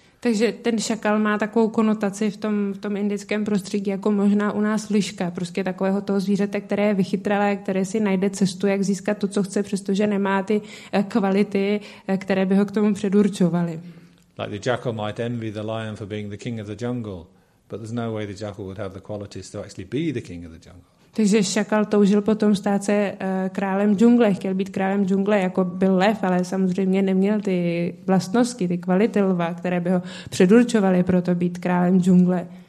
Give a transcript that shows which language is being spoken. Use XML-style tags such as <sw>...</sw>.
<cs>Takže ten šakal má takovou konotaci v tom indickém prostředí, jako možná u nás liška, prostě takového toho zvířete, které je vychytralé, které si najde cestu, jak získat to, co chce, přestože nemá ty kvality, které by ho k tomu předurčovaly.</cs> <en>Like the jackal might envy the lion for being the king of the jungle, but there's no way the jackal would have the qualities to actually be the king of the jungle.</en> <cs>Takže šakal toužil potom stát se králem džungle, chtěl být králem džungle, jako byl lev, ale samozřejmě neměl ty vlastnosti, ty kvality lva, které by ho předurčovaly pro to být králem džungle.</cs>